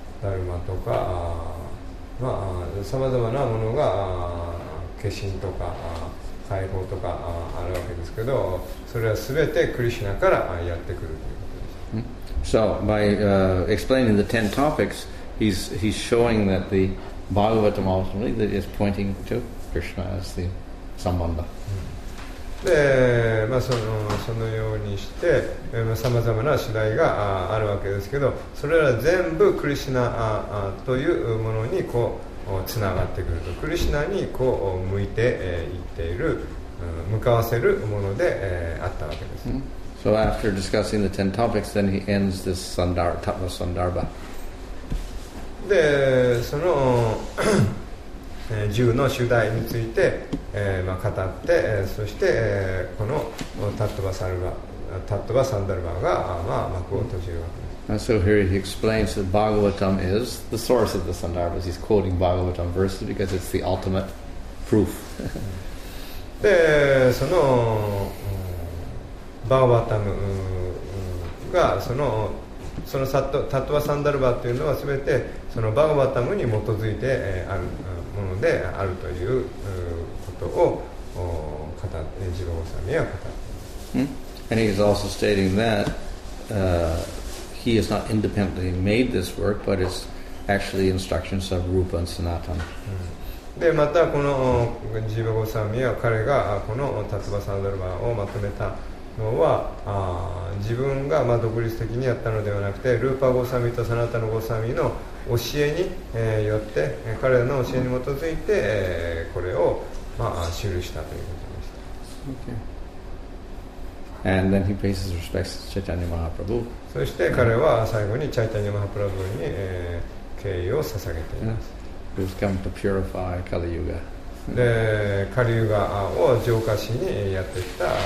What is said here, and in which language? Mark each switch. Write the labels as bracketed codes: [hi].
[ja] ダルマとか、まあ、さまざまなものが化身とか解放とかあるわけですけど、それはすべてクリシナからやってくるということです。 [en] So by explaining the ten topics, he's showing that the Bhagavatam ultimately that is pointing to Krishna as the Sambandha. [ja] で、まあ、そのようにしてさまざまな次第があるわけですけど、それら全部クリシナというものにこうつながってくると、クリシナにこう向いていっている向かわせるものであったわけです。 [en] So after discussing the ten topics, then he ends this Tattva Sandarbha. [ja] で、その十の主題について、まあ、語って、そして、このTattva Sandarbha が、まあ、幕を閉じるわけです。 [en] And so here he explains that Bhagavatam is the source of the Sandarbhas. He's quoting Bhagavatam verses because it's the ultimate proof. [ja] で、その、バーバタムがそのタトワサンダルバというのは全てそのバーバタムに基づいてあるものであるということを語って、ジローサミは語っています。 [en] And he is also stating that he has not independently made this work, but it's actually instructions of Rupa and Sanatana. [ja] で、またこのジローサミは彼がこのタトワサンダルバをまとめたのは自分が、まあ、独立的にやったのではなくて、ルーパーゴサミとサナタのゴサミの教えに、よって彼らの教えに基づいて、これを、まあ、記したということでした。 [en] Okay. And then he pays his respects to Chaitanya Mahaprabhu. [ja] そして彼は最後にチャイタニマハプラブに、敬意を捧げています。 [en] Who's come to purify Kali Yuga. [ja] で、カリユガを浄化しにやってきた。